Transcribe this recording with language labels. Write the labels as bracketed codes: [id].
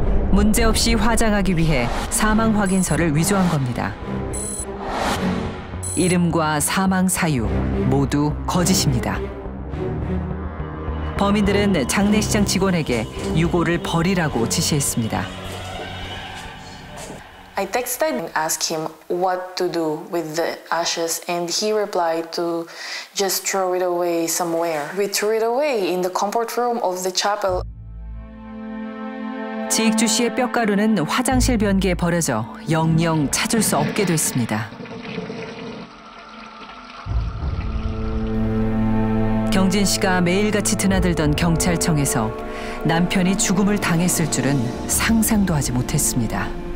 [ko] 문제 없이 화장하기 위해 사망 확인서를 위조한 겁니다. 이름과 사망 사유 모두 거짓입니다. 범인들은 장례식장 직원에게 유고를 버리라고 지시했습니다. [en] I texted and asked him what to do with the ashes, and he replied to just throw it away somewhere. We threw it away in the comfort room of the chapel. [ko] 지익주 씨의 뼈가루는 화장실 변기에 버려져 영영 찾을 수 없게 됐습니다. 경진 씨가 매일같이 드나들던 경찰청에서 남편이 죽음을 당했을 줄은 상상도 하지 못했습니다.